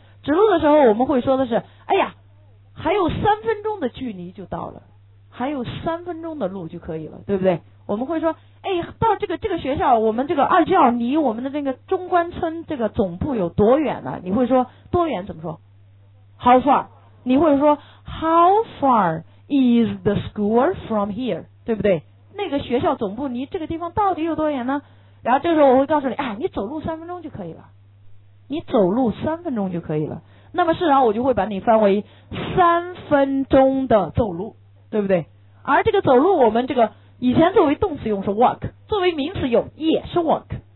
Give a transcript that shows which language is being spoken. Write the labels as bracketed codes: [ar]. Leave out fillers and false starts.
[zh] 指路的时候我们会说的是，哎呀，还有三分钟的距离就到了，还有三分钟的路就可以了，对不对？我们会说，哎，到这个学校，我们这个二教离我们的那个中关村这个总部有多远呢？你会说多远怎么说 ？ [en] How far？ [zh] 你会说 [en] How far is the school from here？ [zh] 对不对？那个学校总部离这个地方到底有多远呢？然后这个时候我会告诉你，哎，你走路三分钟就可以了，你走路三分钟就可以了。那么事实上我就会把你翻为三分钟的走路，对不对？而这个走路我们这个以前作为动词用是 walk， 作为名词用也是 walk。